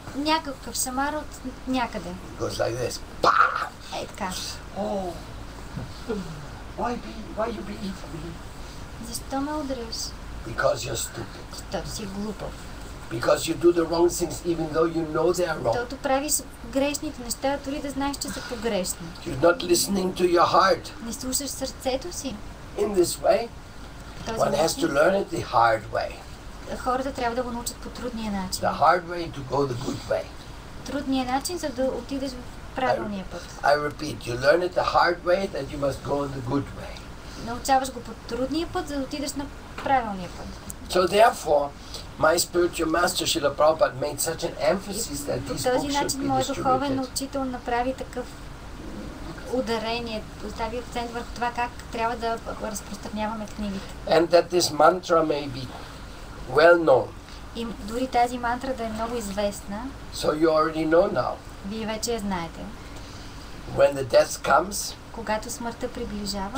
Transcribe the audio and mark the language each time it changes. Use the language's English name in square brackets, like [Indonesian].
[Bulgarian] Някакъв шамар от някъде. [English] Goes like this. Bah! [Bulgarian] Е така. [English] Oh. Why you be for me? [Bulgarian] Защо ме удряш? [English] Because you're stupid. [Bulgarian] Защото си глупав. [English] Because you do the wrong things even though you know they are wrong. [Bulgarian] Защото правиш грешните неща, дори да знаеш, че са погрешни. [English] You're not listening to your heart. [Bulgarian] Не слушаш сърцето си. [English] In this way, one has to learn it the hard way. [Bulgarian] Хората трябва да го научат по трудния начин. [English] The hard way to go the good way. [Bulgarian] Трудния начин, за да отидеш в правилния път. [English] I repeat, you learn it the hard way that you must go the good way. [Bulgarian] Научаваш го по трудния път, за да отидеш на правилния път. [English] So therefore, my spiritual master Srila Prabhupada made such an emphasis that these books should be distributed. [Bulgarian] Този начин мой духовен учител направи такъв ударение, остави акцент върху това как трябва да разпространяваме книгите. [English] And that this mantra may be well known. [Bulgarian] И дори тази мантра да е много известна. [English] So you already know now. [Bulgarian] Вие вече я знаете. [English] When the death comes. [Bulgarian] Когато смъртта приближава.